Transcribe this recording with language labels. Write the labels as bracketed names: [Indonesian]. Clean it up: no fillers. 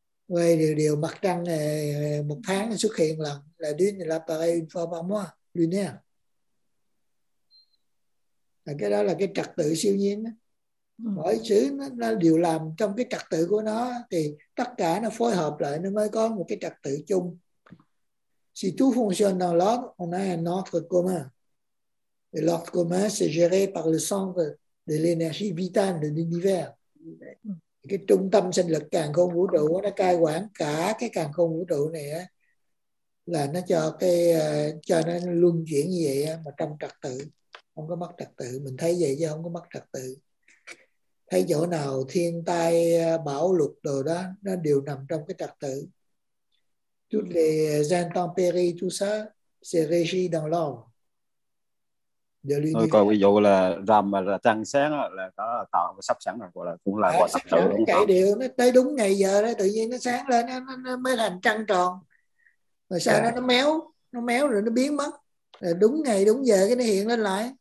[French] Ouais, le [Vietnamese] mặt trăng một tháng xuất hiện lần, [French] la lune apparaît une fois par mois. [Vietnamese] Lunaire. Cái đó là cái trật tự siêu nhiên. Mọi thứ nó đều làm trong cái trật tự của nó, thì tất cả nó phối hợp lại nó mới có một cái trật tự chung. [French] Si tout fonctionne dans l'ordre, on a un ordre commun. Et l'ordre commun, c'est géré par le centre de l'énergie vitale de l'univers. [Vietnamese] Cái trung tâm sinh lực càn khôn vũ trụ nó cai quản cả cái càn khôn vũ trụ này á, là nó cho cái cho nó luân chuyển như vậy mà trong trật tự, không có mất trật tự. Mình thấy vậy chứ không có mất trật tự. Thấy chỗ nào thiên tai bão lụt đồ đó, nó đều nằm trong cái trật tự. [French] Tout les intempéries tout ça c'est régi dans l'ordre. [Vietnamese] Tôi coi ví dụ là rằm là trăng sáng là có tạo sắp sẵn rồi, gọi là cũng là trật tự đúng không? Điều nó tới đúng ngày giờ đó, tự nhiên nó sáng lên nó mới thành trăng tròn. Rồi sau đó nó méo rồi nó biến mất. Rồi đúng ngày, đúng giờ cái nó hiện lên lại.